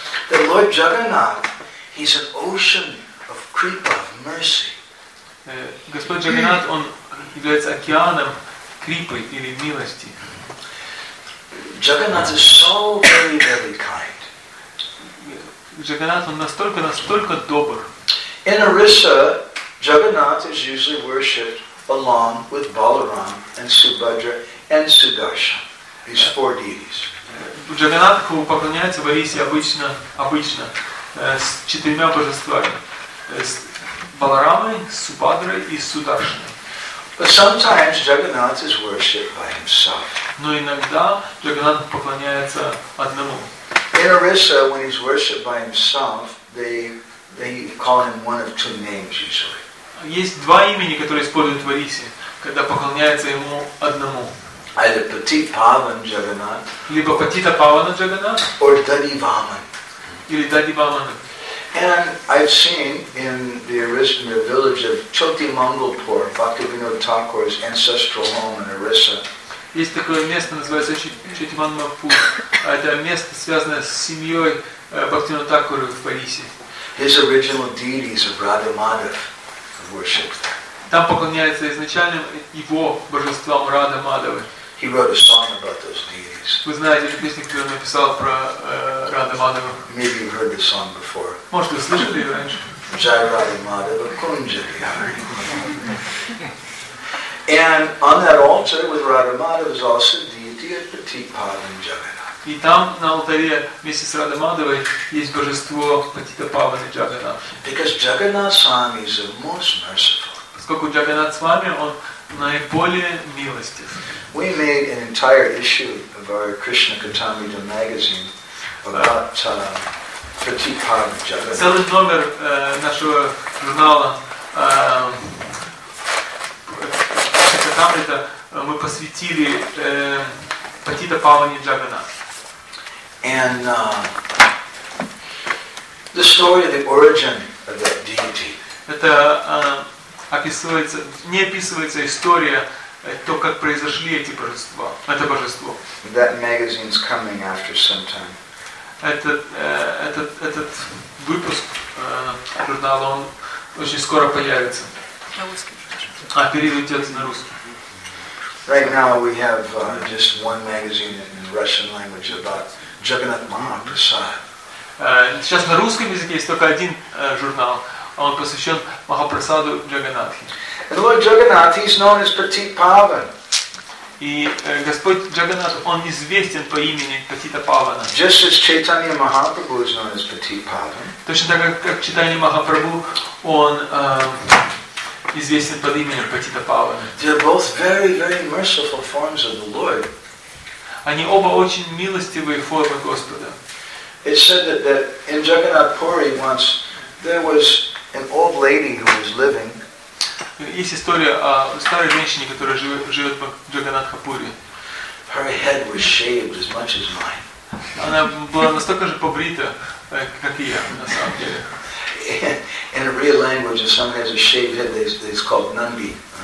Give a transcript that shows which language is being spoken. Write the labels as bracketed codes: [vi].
[en] The Lord Jagannath, he's an ocean of Kripa, of mercy. [ru] Господь Джагнанат, он является океаном Крипы или милости. [en] Jagannath is so very, very kind. [ru] Джагнанат, он настолько добр. [en] In Orissa, Jagannath is usually worshipped along with Balaram and Subhadra and Sudarshan, these four deities. [ru] Джаганнатху поклоняется в Орисе обычно с четырьмя божествами, с Баларамой, Субхадрой и Сударшаной. [en] But sometimes Jagannath is worshipped by himself. [ru] Но иногда Джаганнат поклоняется одному. [en] In Orissa, when he's worshipped by himself, they call him one of two names usually. [ru] Есть два имени, которые используют в Орисе, когда поклоняется ему одному. [en] Either Patita Pavan Jagannath. [ru] Либо Patita Pavana Jagannath. [en] Or Dadi Vaman. [ru] Или Dadi Vaman. [en] And I've seen in the original village of Choti Mangalpur, Bhaktivinoda Thakur's ancestral home in Orissa. [ru] Есть такое место, называется Choti Mangalpur. Это место, связанное с семьей Бхактивинода Такура в Орисе. [en] His original deities of Radha Madhav. Worshipped. [ru] Там поклоняется изначально его божеством Радха Мадхава. [en] He wrote a song about those deities. [ru] Вы знаете эту песню, которую он написал про Радха Мадхава? [en] Maybe you've heard the song before. [ru] Может, вы слышали ее раньше? [en] Jai Radha Madhava Kunjavihari. And on that altar with Radha Madhava is also the deity of Patita Pavan Jagannath. [ru] И там на алтаре вместе с Радхой Мадхавой есть божество Патита Павана Джагана. [en] Because Jagannath Swami is the most merciful. [ru] Поскольку Джагана Свами, он наиболее милостив. [en] We made an entire issue of our Krishna Katamrita magazine about Pratipad Jagannath. [ru] Целый номер нашего журнала Катамрита мы посвятили Патита Павани Джаганат. [en] And the story of the origin of that deity. [ru] Это описывается, не описывается история, то, как произошли эти божества, это божество. [en] That magazine's coming after some time. [ru] Этот выпуск журнала, он очень скоро появится. А перевод идет на русский. [en] Right now we have just one magazine in Russian language about Jagannath Mahaprasad. [ru] Сейчас на русском языке есть только один журнал, он посвящен Махапрасаду Джаганатхи. [en] Lord Jagannath, he's known as Pratipavan. [ru] И Господь Джаганат, он известен по имени Патита Павана. [en] Just as Chaitanya Mahaprabhu is known as Pratipavan. [ru] Точно так как Чайтанья Махапрабху, он известен под именем Патита Павана. [en] They're both very, very merciful forms of the Lord. [ru] Они оба очень милостивые формы Господа. [en] It said that in Jagannath Puri once there was an old lady who was living. [ru] Есть история о старой женщине, которая живет в Джаганатхапуре. [en] Her head was shaved as much as mine. [ru] Она была настолько же побрита, как и я, на самом деле. [en] In a real language, if someone has a shaved head, it's called Nandi.